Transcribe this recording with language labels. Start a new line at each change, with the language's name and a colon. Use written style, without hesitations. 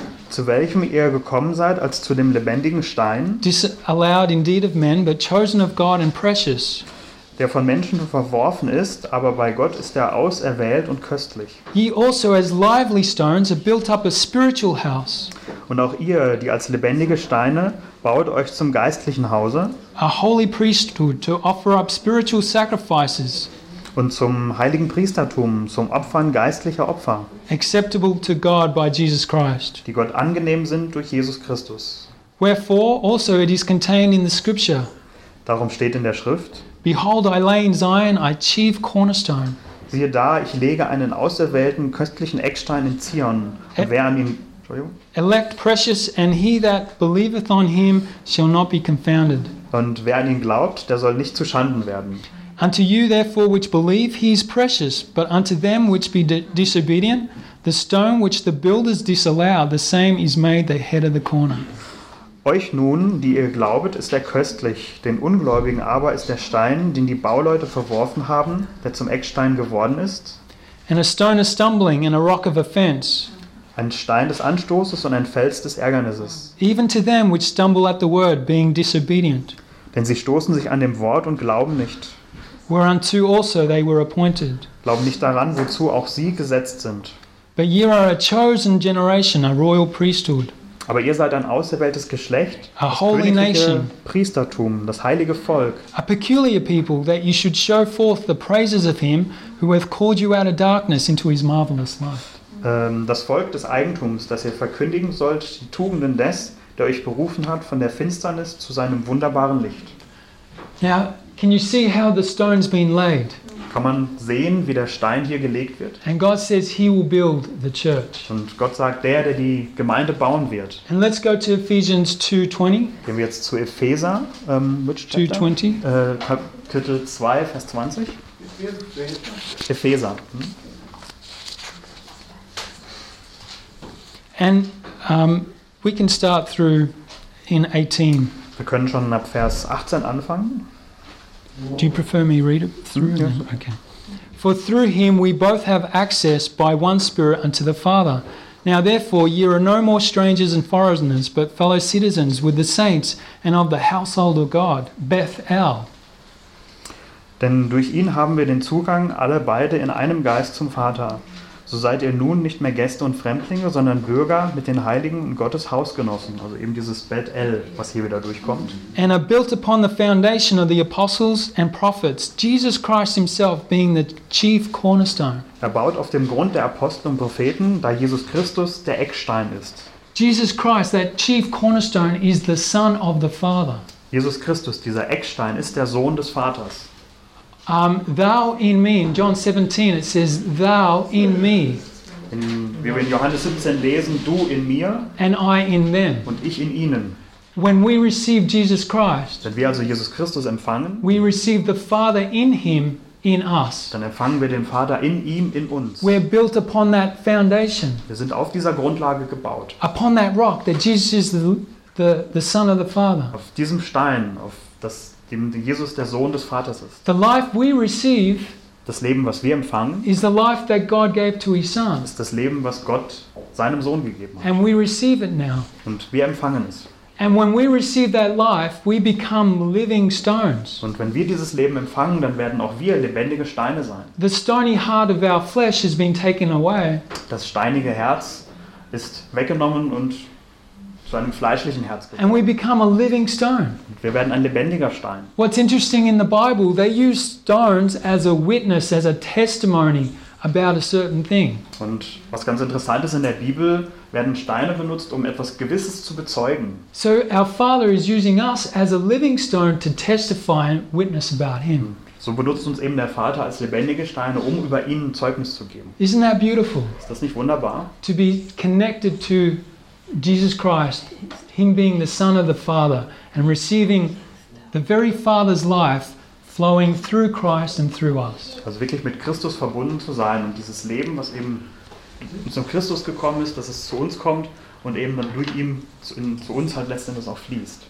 German: zu welchem ihr gekommen seid als zu dem lebendigen Stein,
English: disallowed indeed of men, but chosen of God and precious,
German: der von Menschen verworfen ist, aber bei Gott ist er auserwählt und köstlich.
English: Ye also as lively stones are built up a spiritual house,
German: und auch ihr, die als lebendige Steine, baut euch zum geistlichen Hause,
English: a holy priesthood to offer up spiritual sacrifices,
German: und zum heiligen Priestertum, zum Opfern geistlicher Opfer,
English: acceptable to God by Jesus Christ,
German: die Gott angenehm sind durch Jesus Christus.
English: Wherefore also it is contained in the scripture,
German: darum steht in der Schrift,
English: behold, I lay in Zion a chief cornerstone,
German: siehe da, ich lege einen auserwählten, köstlichen Eckstein in Zion, und wer an ihm,
English: elect precious, and he that believeth on him shall not be confounded,
German: und wer an ihn glaubt, der soll nicht zu Schanden werden.
English: Unto you therefore which believe he is precious, but unto them which be disobedient, the stone which the builders disallowed, the same is made the head of the corner.
German: Euch nun, die ihr glaubet, ist er köstlich, den Ungläubigen aber ist der Stein, den die Bauleute verworfen haben, der zum Eckstein geworden ist.
English: And a stone of stumbling and a rock of offense,
German: ein Stein des Anstoßes und ein Fels des Ärgernisses.
English: Even to them which stumble at the word, being disobedient,
German: denn sie stoßen sich an dem Wort und glauben nicht.
English: Whereunto also they were appointed,
German: glauben nicht daran, wozu auch sie gesetzt sind.
English: But ye are a chosen generation, a royal priesthood,
German: aber ihr seid ein auserwähltes Geschlecht,
English: a holy nation,
German: Priestertum, das heilige Volk,
English: a peculiar people, that you should show forth the praises of him who hath called you out of darkness into his marvelous light,
German: das Volk des Eigentums, das ihr verkündigen sollt die Tugenden des, der euch berufen hat von der Finsternis zu seinem wunderbaren Licht.
English: Now, can you see how the stone's been laid?
German: Kann man sehen, wie der Stein hier gelegt wird?
English: And God says he will build the church.
German: Und Gott sagt, der die Gemeinde bauen wird.
English: And let's go to Ephesians 2:20.
German: Gehen wir jetzt zu Epheser,
English: which chapter? 2:20.
German: Kapitel 2, Vers 20. Epheser.
English: And we can start through in 18.
German: Wir können schon ab Vers 18 anfangen.
English: Do you prefer me read it through? Yes. Okay. For through him we both have access by one Spirit unto the Father. Now therefore ye are no more strangers and foreigners, but fellow citizens with the saints and of the household of God, Bethel.
German: Denn durch ihn haben wir den Zugang alle beide in einem Geist zum Vater. So seid ihr nun nicht mehr Gäste und Fremdlinge, sondern Bürger mit den Heiligen und Gottes Hausgenossen. Also eben dieses Bethel, was hier wieder durchkommt.
English: And are built upon the foundation of the apostles and prophets, Jesus Christ himself being the chief cornerstone.
German: Er baut auf dem Grund der Apostel und Propheten, da Jesus Christus der Eckstein ist.
English: Jesus Christ, that chief cornerstone, is the Son of the Father.
German: Jesus Christus, dieser Eckstein, ist der Sohn des Vaters.
English: Thou in me, in John 17 it says, thou in me.
German: Wir in Johannes 17 lesen, du in mir.
English: And I in them.
German: Und ich in ihnen.
English: When we receive Jesus Christ,
German: wenn wir also Jesus Christus empfangen,
English: we receive the Father in him, in us.
German: Dann empfangen wir den Vater in ihm, in uns.
English: We're built upon that foundation.
German: Wir sind auf dieser Grundlage gebaut.
English: Upon that rock, that Jesus is the Son of the Father.
German: Auf diesem Stein, auf das dem Jesus der Sohn des Vaters ist.
English: The life we receive,
German: das Leben, was wir empfangen,
English: is the life that God gave to his son,
German: ist das Leben, was Gott seinem Sohn gegeben hat.
English: And we receive it now.
German: Und wir empfangen es.
English: And when we receive that life, we become living stones.
German: Und wenn wir dieses Leben empfangen, dann werden auch wir lebendige Steine sein.
English: The stony heart of our flesh has been taken away.
German: Das steinige Herz ist weggenommen und zu einem fleischlichen Herz geworden.
English: And we become a living stone.
German: Wir werden ein lebendiger Stein.
English: What's interesting in the Bible, they use stones as a witness, as a testimony about a certain thing.
German: Und was ganz interessant ist, in der Bibel werden Steine benutzt, um etwas Gewisses zu bezeugen.
English: So our Father is using us as a living stone to testify and witness about him.
German: So benutzt uns eben der Vater als lebendige Steine, um über ihn Zeugnis zu geben.
English: Isn't that beautiful?
German: Ist das nicht wunderbar?
English: To be connected to Jesus Christ, him being the Son of the Father, and receiving the very Father's life flowing through Christ and through us.
German: Also wirklich mit Christus verbunden zu sein und dieses Leben, was eben zum Christus gekommen ist, dass es zu uns kommt und eben dann durch ihn zu uns halt letztendlich auch fließt.